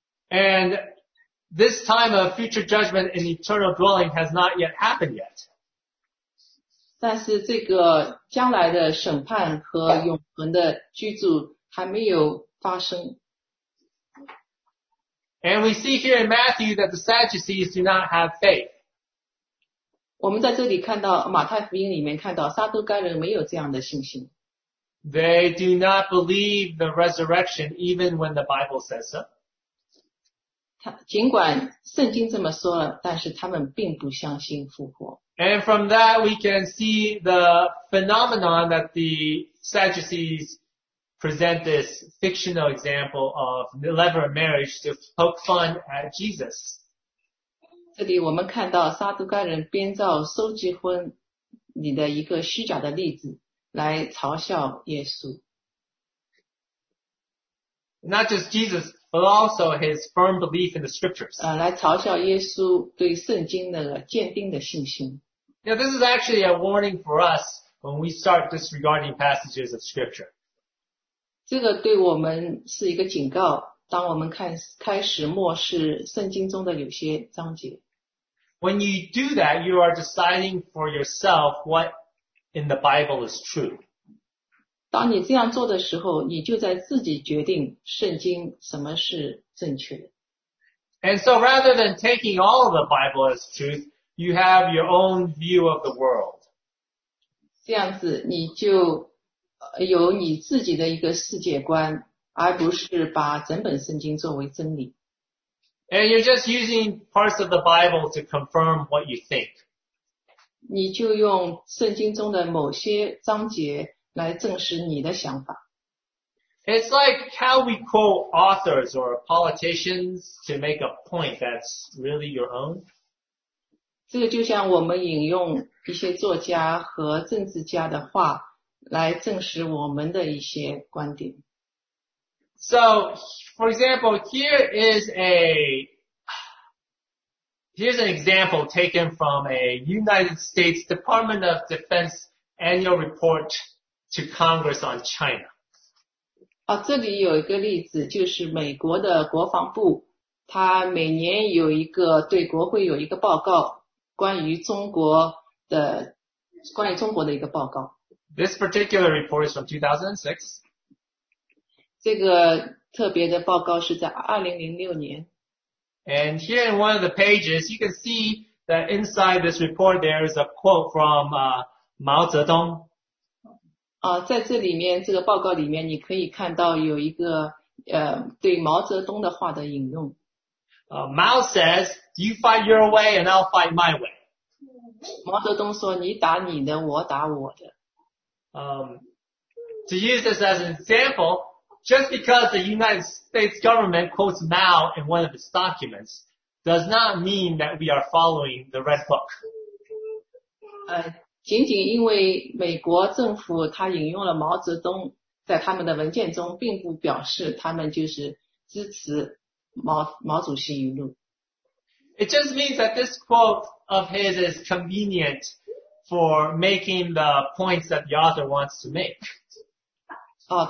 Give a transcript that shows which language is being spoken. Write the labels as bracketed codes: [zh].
[en] And this time of future judgment and eternal dwelling has not yet happened yet. [zh] 但是这个将来的审判和永恒的居住还没有发生。 [en] And we see here in Matthew that the Sadducees do not have faith. [zh] 我们在这里看到马太福音里面看到撒都该人没有这样的信心。 [en] They do not believe the resurrection even when the Bible says so. [zh] 尽管圣经这么说了，但是他们并不相信复活。 [en] And from that we can see the phenomenon that the Sadducees present this fictional example of levirate marriage to poke fun at Jesus. [zh] 这里我们看到撒都盖人编造收集婚里的一个虚假的例子来嘲笑耶稣。 [en] Not just Jesus, but also his firm belief in the scriptures. [zh] 来嘲笑耶稣对圣经的坚定的信心。 [en] Now this is actually a warning for us when we start disregarding passages of scripture. [zh] 这个对我们是一个警告，当我们开始漠视圣经中的有些章节。 [en] When you do that, you are deciding for yourself what in the Bible is true. [zh] 当你这样做的时候，你就在自己决定圣经什么是正确的。 [en] And so rather than taking all of the Bible as truth, you have your own view of the world. [zh] 这样子你就有你自己的一个世界观，而不是把整本圣经作为真理。 [en] And you're just using parts of the Bible to confirm what you think. [zh] 你就用圣经中的某些章节来证实你的想法。 [en] It's like how we quote authors or politicians to make a point that's really your own. [zh] 这个就像我们引用一些作家和政治家的话来证实我们的一些观点。 [en] So, for example, here's an example taken from a United States Department of Defense annual report to Congress on China. [zh] 啊，这里有一个例子，就是美国的国防部，它每年有一个对国会有一个报告，关于中国的一个报告。 [en] This particular report is from 2006. [zh] 这个特别的报告是在2006年。 [en] And here in one of the pages, you can see that inside this report, there is a quote from, Mao Zedong. [zh] 在这里面，这个报告里面，你可以看到有一个，对毛泽东的话的引用。 [en] Mao says, you fight your way and I'll fight my way. [zh] 毛泽东说，你打你的，我打我的。 [en] To use this as an example,Just because the United States government quotes Mao in one of its documents does not mean that we are following the red book. [zh] 仅仅因为美国政府他引用了毛泽东在他们的文件中，并不表示他们就是支持毛主席语录。 [en] It just means that this quote of his is convenient for making the points that the author wants to make.